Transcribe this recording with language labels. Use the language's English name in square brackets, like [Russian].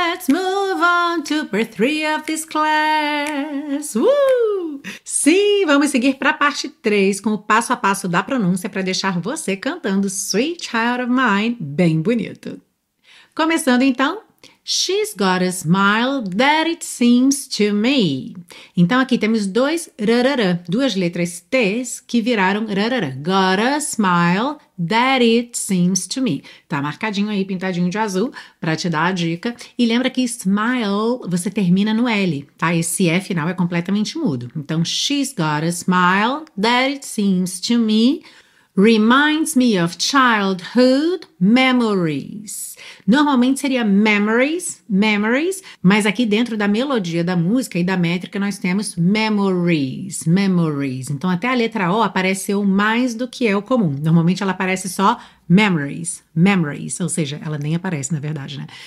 [English] Let's move on to part 3 of this class. [Portuguese] Sim, vamos seguir para a parte 3 com o passo a passo da pronúncia para deixar você cantando Sweet Child of Mine bem bonito. Começando então. [English] She's got a smile that it seems to me. [Portuguese] Então, aqui temos dois rarara, duas letras T's que viraram rarara. [English] Got a smile that it seems to me. [Portuguese] Tá marcadinho aí, pintadinho de azul, pra te dar a dica. E lembra que smile, você termina no L, tá? Esse F final é completamente mudo. [English] Então, she's got a smile that it seems to me. Reminds me of childhood memories. [Portuguese] Normalmente seria memories, mas aqui dentro da melodia da música e da métrica nós temos memories. Então até a letra O apareceu mais do que é o comum. Normalmente ela aparece só memories, ou seja, ela nem aparece na verdade, né?